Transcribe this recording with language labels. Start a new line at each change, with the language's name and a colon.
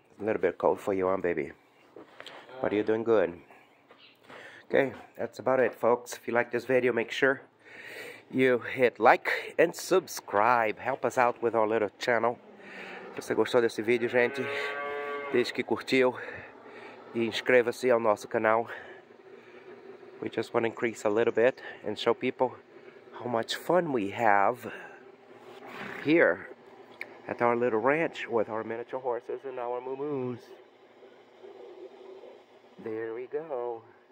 English: A little bit cold for you, huh, baby? But you're doing good. Okay, that's about it, folks. If you like this video, make sure you hit like and subscribe. Help us out with our little channel.
Portuguese: Se você gostou desse vídeo, gente, deixe que curtiu e inscreva-se ao nosso canal.
English: We just want to increase a little bit and show people how much fun we have here at our little ranch with our miniature horses and our moo-moos. There we go.